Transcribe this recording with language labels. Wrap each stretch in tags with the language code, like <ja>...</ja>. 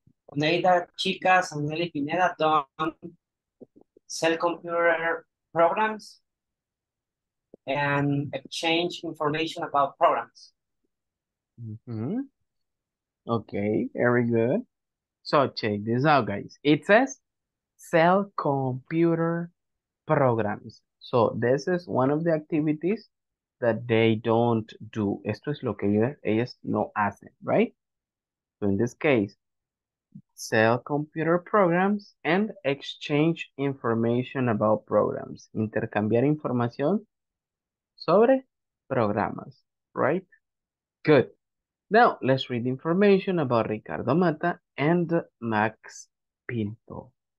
<en>Oneida Chicas and Nelly Pineda don't sell computer programs and exchange information about programs. Mm-hmm. Okay, very good. So check this out, guys. It says sell computer programs. So this is one of the activities that they don't do.</en> <es>Esto es lo que ellas no hacen, right?</es> <en>So in this case, sell computer programs and exchange information about programs.</en> <es>Intercambiar información sobre programas, right? Good.</es> <en>Now, let's read information about Ricardo Mata and Max Pinto.</en>